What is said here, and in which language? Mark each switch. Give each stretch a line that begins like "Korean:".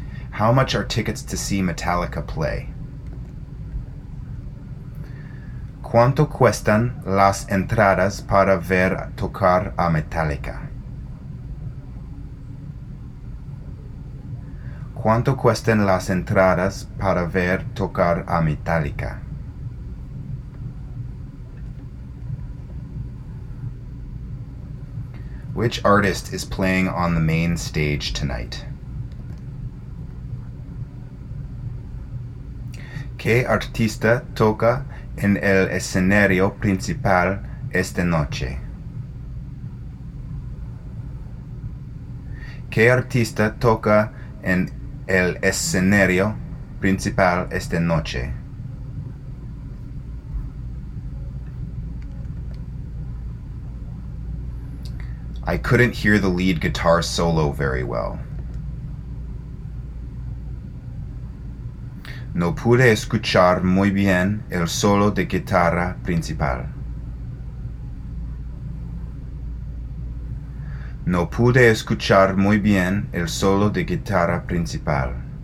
English: How much are tickets to see Metallica play?
Spanish: ¿Cuánto cuestan las entradas para ver tocar a Metallica? ¿Cuánto cuestan las entradas para ver tocar a Metallica?
English: Which artist is playing on the main stage tonight?
Spanish: ¿Qué artista toca en el escenario principal esta noche? ¿Qué artista toca en el escenario principal esta noche?
English: I couldn't hear the lead guitar solo very well.
Spanish: No pude escuchar muy bien el solo de guitarra principal. No pude escuchar muy bien el solo de guitarra principal.